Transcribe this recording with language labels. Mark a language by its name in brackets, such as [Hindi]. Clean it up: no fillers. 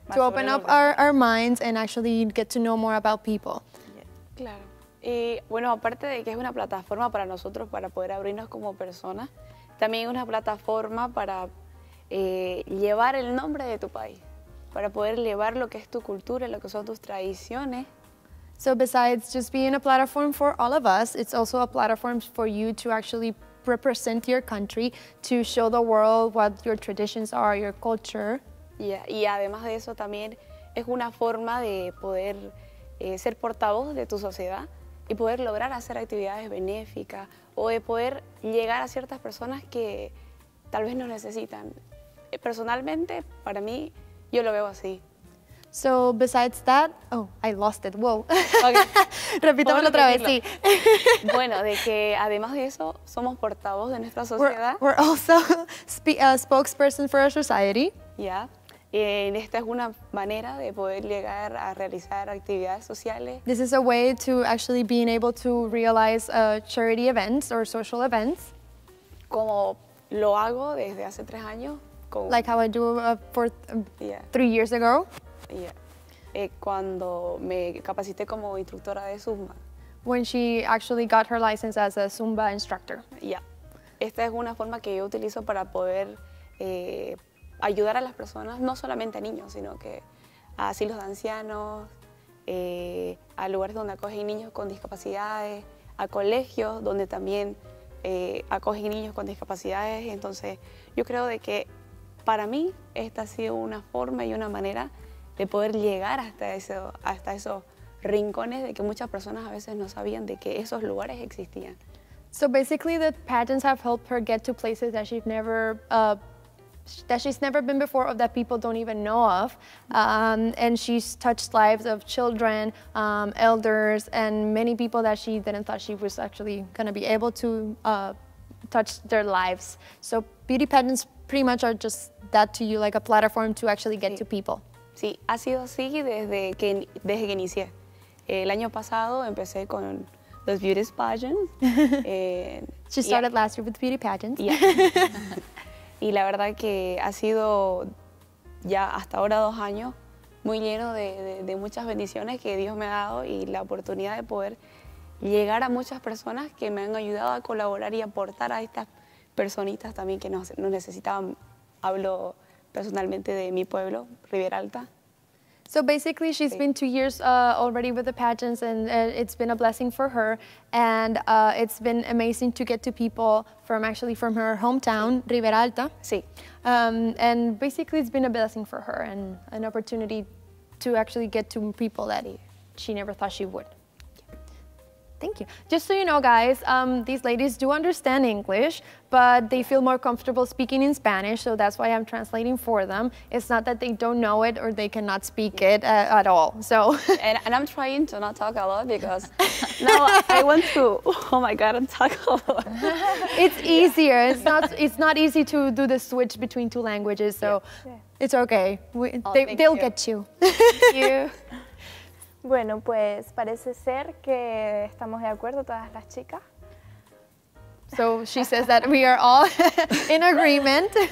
[English] To open up our minds and actually get to know more about people. Yeah. Claro. [Spanish] Y bueno, aparte de que es una plataforma para nosotros para poder abrirnos como personas, también es una plataforma para llevar el nombre de tu país, para poder llevar lo que es tu cultura, lo que son tus tradiciones. [English] So besides just being a platform for all of us, it's also a platform for you to actually represent your country, to show the world what your traditions are, your culture. [Spanish] Yeah. Y además de eso también es una forma de poder ser portavoz de tu sociedad y poder lograr hacer actividades benéficas o de poder llegar a ciertas personas que tal vez nos necesitan. Personalmente, para mí, yo lo veo así. [English] So, besides that, oh, I lost it, wow. [Spanish] Okay. Repítamelo otra vez, sí. Bueno, de que además de eso, somos portavoz de nuestra sociedad. [English] We're also spokesperson for our society. Yeah. [Spanish] Esta es una manera de poder llegar a realizar actividades sociales. [English] This is a way to actually being able to realize charity events or social events. [Spanish] Como lo hago desde hace 3 años. [English] Like how I do for yeah. 3 years ago. [Spanish] Yeah. Cuando me capacité como instructora de Zumba. [English] When she actually got her license as a Zumba instructor. Yeah. [Spanish] Esta es una forma que yo utilizo para poder ayudar a las personas, no solamente a niños, sino que a asilos de ancianos, a lugares donde acogen niños con discapacidades, a colegios donde también acogen niños con discapacidades. Entonces, yo creo de que para mí esta ha sido una forma y una manera de poder llegar hasta esos rincones de que muchas personas a veces no sabían de que esos lugares existían. [English] So basically, the pageants have helped her get to places that she's never that she's never been before, or that people don't even know of. And she's touched lives of children, elders, and many people that she didn't thought she was actually gonna be able to touch their lives. So beauty pageants pretty much are just that to you, like a platform to actually get to people. [Spanish] Sí, ha sido así desde que inicié. El año pasado empecé con los beauty pageants. [English] She started last year with beauty pageants. Yeah. [Spanish] Y la verdad que ha sido ya hasta ahora 2 años muy lleno de muchas bendiciones que Dios me ha dado y la oportunidad de poder llegar a muchas personas que me han ayudado a colaborar y aportar a estas personitas también que nos necesitaban. Hablo personalmente de mi pueblo, Riviera Alta. [English] So basically, she's been 2 years already with the pageants, and it's been a blessing for her. And it's been amazing to get to people from actually from her hometown, Riviera Alta. [Spanish] Sí. [English] And basically, it's been a blessing for her and an opportunity to actually get to people that she never thought she would. Thank you. Just so you know, guys, these ladies do understand English, but they feel more comfortable speaking in Spanish, so that's why I'm translating for them. It's not that they don't know it or they cannot speak it at all. So. And I'm trying to not talk a lot because now I want to. Oh my God, I'm talking a lot. It's easier. It's not easy to do the switch between two languages. So it's okay. They'll get you. Thank you. [Spanish] Bueno, pues parece ser que estamos de acuerdo todas las chicas. [English] So she says that we are all in agreement.